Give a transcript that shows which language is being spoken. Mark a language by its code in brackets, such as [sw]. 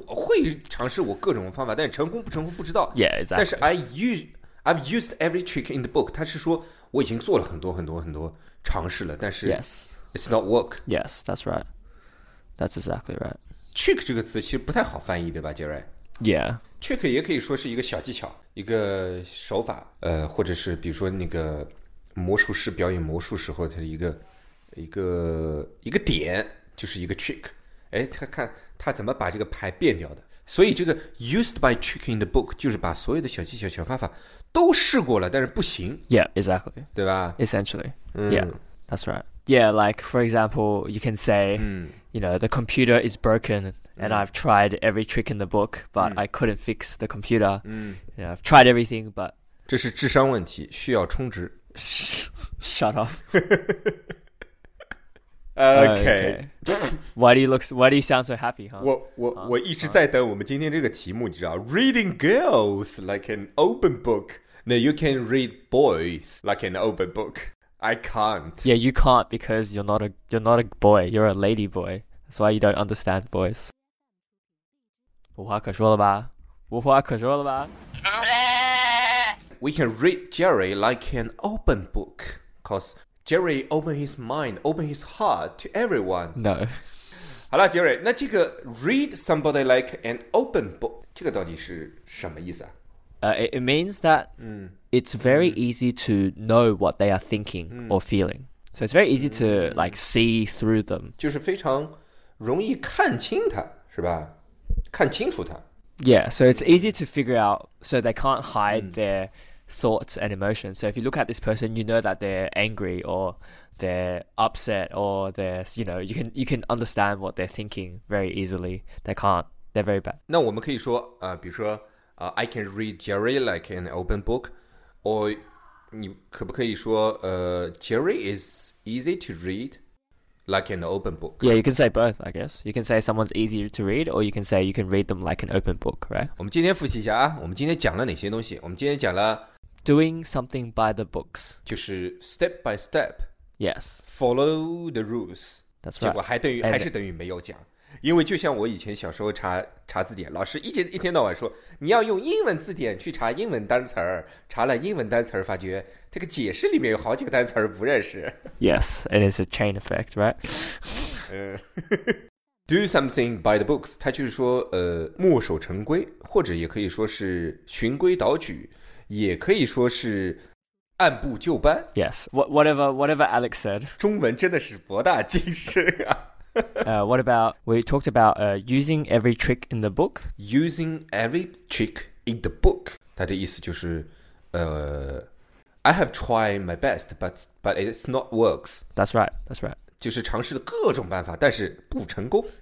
[zh] 我会尝试我各种方法，但成功不成功不知道。 [en] Yeah, exactly. 但是 I've used every trick in the book. [zh] 它是说我已经做了很多很多很多尝试了，但是 [en] Yes. It's not work. Yes, that's right. That's exactly right. [zh] Trick 这个词其实不太好翻译，对吧 Jerry? [en] Yeah. [zh] Trick 也可以说是一个小技巧，一个手法，或者是比如说那个魔术师表演魔术时候，它的一个点。就是一个 trick, 哎，他看他怎么把这个牌变掉的。所以这个 [en] used by trick in the book [zh] 就是把所有的小技巧、小方法都试过了，但是不行。 [en] Yeah, exactly. [zh] 对吧 [en] ？Essentially,、yeah, that's right. Yeah, like for example, you can say,、you know, the computer is broken, and I've tried every trick in the book, but I couldn't fix the computer. You know, I've tried everything, but [zh] 这是智商问题，需要充值。 [en] Shut off. Okay. Why do you sound so happy, huh? [zh] 我一直在等我们今天这个题目，你知道 ， [en] Reading girls like an open book No, you can read boys like an open book. I can't. Yeah, you can't because you're not a boy. You're a lady boy. That's why you don't understand boys. [zh] 无话可说了吧？无话可说了吧？ [en] We can read Jerry like an open book, cause Jerry open his mind, open his heart to everyone. No. [zh] 好了 ，Jerry， 那这个 [en] read somebody like an open book， [zh] 这个到底是什么意思啊？ [en] It means that it's very easy to know what they are thinking or feeling. So it's very easy to like see through them. [zh] 就是非常容易看清他，是吧？看清楚他。 [en] Yeah, so it's easy to figure out, so they can't hide their thoughts and emotions. So if you look at this person, you know that they're angry or they're upset or they're, you know, you can understand what they're thinking very easily. They can't, they're very bad. [zh] 那我们可以说，比如说 [en] I can read Jerry like an open book, or [zh] 你可不可以说 [en] Jerry is easy to read like an open book? Yeah, you can say both, I guess. You can say someone's easier to read, or you can say you can read them like an open book, right? [zh] 我们今天复习一下啊，我们今天讲了哪些东西？我们今天讲了 [en] doing something by the books, 就是 step by step. Yes, follow the rules. That's right. [zh] 结果还是等于没有讲，因为就像我以前小时候查字典，老师一天到晚说你要用英文字典去查英文单词，查了英文单词发觉这个解释里面有好几个单词不认识。 [en] Yes, it is a chain effect, right? Do something by the books, [zh] 它就是说墨守成规，或者也可以说是循规蹈矩，也可以说是按部就班。 [en] Yes, whatever Alex said. [zh] 中文真的是博大精深啊。 [en] What about, we talked about using every trick in the book. Using every trick in the book. [zh] 它的意思就是 [en] I have tried my best, but it's not works. That's right, that's right. [zh] 就是尝试了各种办法，但是不成功。